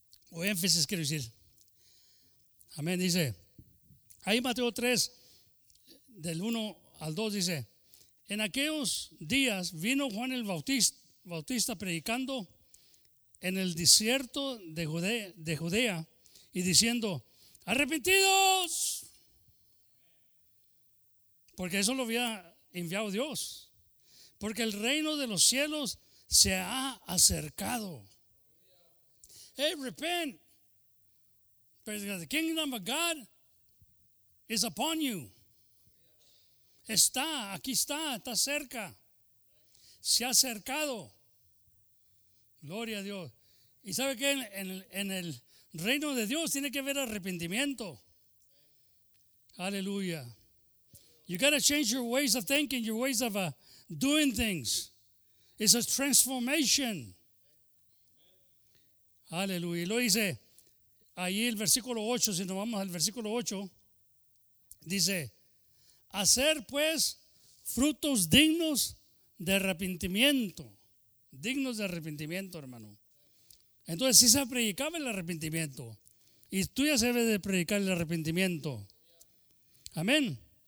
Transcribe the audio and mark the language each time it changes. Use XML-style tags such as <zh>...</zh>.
<es>O énfasis, quiero decir. Amén. Dice ahí Mateo 3, del 1 al 2, dice: en aquellos días vino Juan el Bautista predicando en el desierto de Judea y diciendo: arrepentidos, porque eso lo había enviado Dios, porque el reino de los cielos se ha acercado.</es> <en>Hey, repent, because the kingdom of God is upon you.</en> <es>Está, aquí está, está cerca. Se ha acercado. Gloria a Dios. Y sabe que en el reino de Dios tiene que haber arrepentimiento. Aleluya.</es> <en>You got to change your ways of thinking, your ways of doing things. It's a transformation.</en> <es>Aleluya. Y lo dice ahí el versículo 8, si nos vamos al versículo 8, dice: hacer pues frutos dignos de arrepentimiento. Dignos de arrepentimiento, hermano. Entonces, si se predicaba el arrepentimiento, y tú ya sabes de predicar el arrepentimiento. Amén.</es>